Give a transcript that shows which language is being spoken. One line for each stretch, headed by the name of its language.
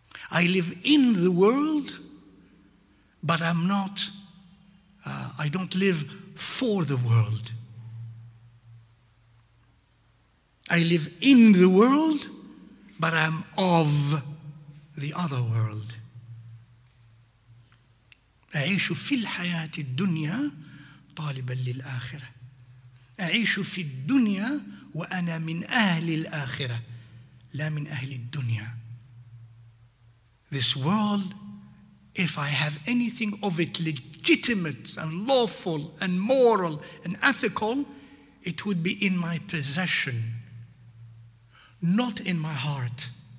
English: I live in the world, but I'm not, I don't live for the world. I live in the world, but I'm of the other world.
Arabic: أعيش في الحياة الدنيا طالبا للآخرة أعيش في الدنيا وأنا من أهل الآخرة لا من أهل الدنيا.
English: This world, if I have anything of it legitimate and lawful and moral and ethical, it would be in my possession, not in my heart.